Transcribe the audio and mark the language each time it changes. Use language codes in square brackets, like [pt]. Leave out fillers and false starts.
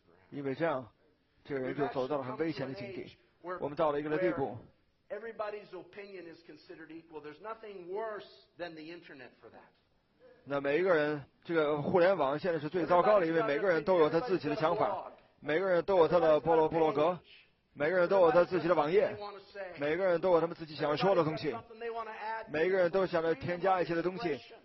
[zh] 因为这样，这个人就走到了很危险的境地。我们到了一个地步。 [en] Everybody's opinion is considered equal. There's nothing worse than the internet for that. [zh] 那每一个人，这个互联网现在是最糟糕的，因为每个人都有他自己的想法，每个人都有他的部落格，每个人都有他自己的网页，每个人都有他们自己想说的东西，每个人都想着添加一些的东西。